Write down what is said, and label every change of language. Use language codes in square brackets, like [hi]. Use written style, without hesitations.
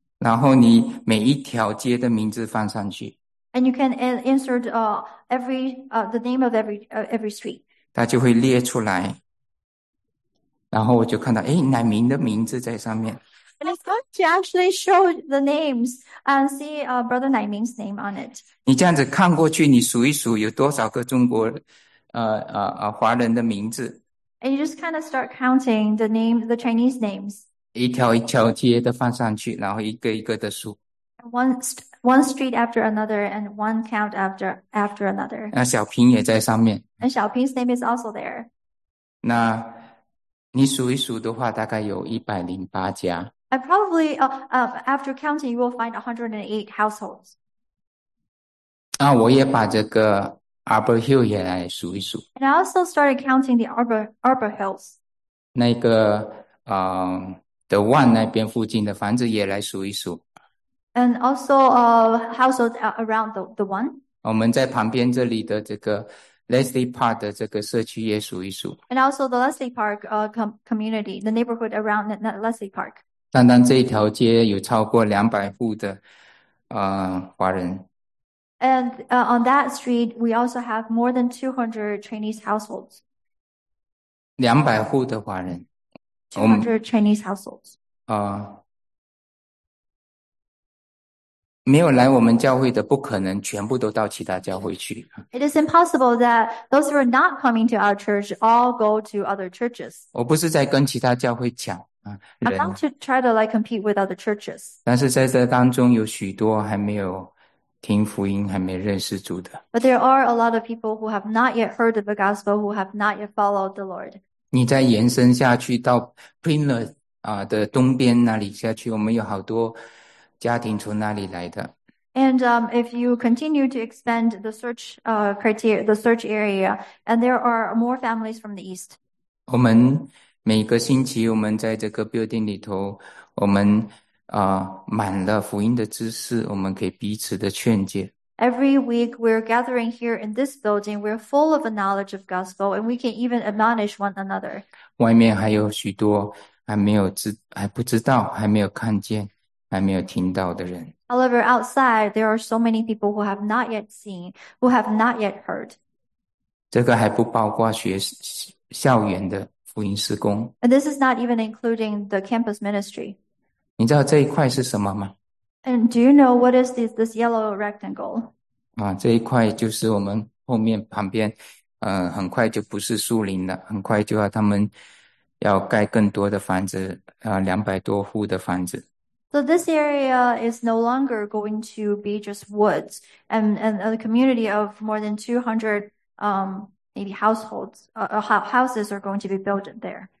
[zh] 然后你每一条街的名字放上去， [en] And you can insert the name of every street。 [zh] 它就会列出来。然后我就看到，哎，乃明的名字在上面。 [en] And it's going to actually show the names and see Brother Naiming's name on it. [zh] 你这样子看过去，你数一数有多少个中国，华人的名字， [en] And you just kind of start counting the Chinese names. [zh] 一条一条街的放上去，然后一个一个的数。 [en] One street after another and one count after another. [zh] 那小平也在上面。 [en] And Xiaoping's name is also there. [zh] 那你数一数的话，大概有108家。 [en] I probably after counting, you will find 108 households. [zh] 那我也把这个 Arbor Hill 也来数一数。 [en] And I also started counting the Arbor Hills. [zh] 那个The One 那边附近的房子也来数一数。 [en] And also households around the one. [zh] 我们在旁边这里的这个 Leslie Park 的这个社区也数一数。 [en] And also the Leslie Park community, the neighborhood around Leslie Park. [zh] 单单这一条街有超过200户的华人。 [en] And on that street, we also have more than 200 Chinese households. [zh] 200户的华人，我们 [en] 200 Chinese households. [zh] 没有来我们教会的，不可能全部都到其他教会去。 [en] It is impossible that those who are not coming to our church all go to other churches. [zh] 我不是在跟其他教会抢啊 [en] I'm not [zh] 人， [en] to try to like compete with other churches. [zh] 但是在这当中有许多还没有听福音、还没认识主的。 [en] But there are a lot of people who have not yet heard of the gospel, who have not yet followed the Lord. [zh] 你再延伸下去到 Pinner 的东边那里下去，我们有好多家庭从那里来的。 [en] And if you continue to expand the search area, and there are more families from the East. [zh] 我们每个星期，我们在这个 building 里头，我们满了福音的知识，我们可以彼此的劝诫。 [en] Every week we're gathering here in this building, we're full of a knowledge of gospel, and we can even admonish one another. [zh] 外面还有许多还不知道、还没有看见、还没有听到的人。 [en] However, outside there are so many people who have not yet seen, who have not yet heard. [zh] 这个还不包括校园的福音事工。 [en] And this is not even including the campus ministry. [zh] 你知道这一块是什么吗？ [en] And do you know what is this yellow rectangle? [zh] 这一块就是我们后面旁边。很快就不是树林了，很快就要他们要盖更多的房子，200多户的房子。 [en] So this area is no longer going to be just woods and a community of more than 200 maybe households houses are going to be built there.